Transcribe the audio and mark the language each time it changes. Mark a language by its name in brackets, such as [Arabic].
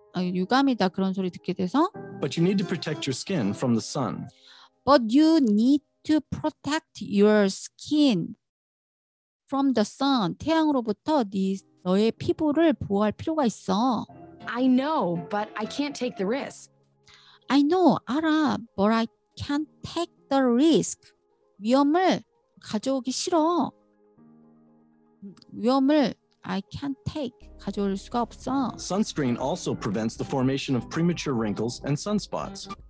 [Korean] 유감이다 그런 소리 듣게 돼서. [English] But you need to protect your skin from the sun. But you need to protect your skin from the sun. [Korean] 태양으로부터 너의 피부를 보호할 필요가 있어. [English] I know, but I can't take the risk. I know, [Korean] 알아. [English] But I can't take the risk. [Korean] 위험을 가져오기 싫어. 위험을 [English] I can't take [Korean] 가져올 수가 없어. [English] Sunscreen also prevents the formation of premature wrinkles and sunspots.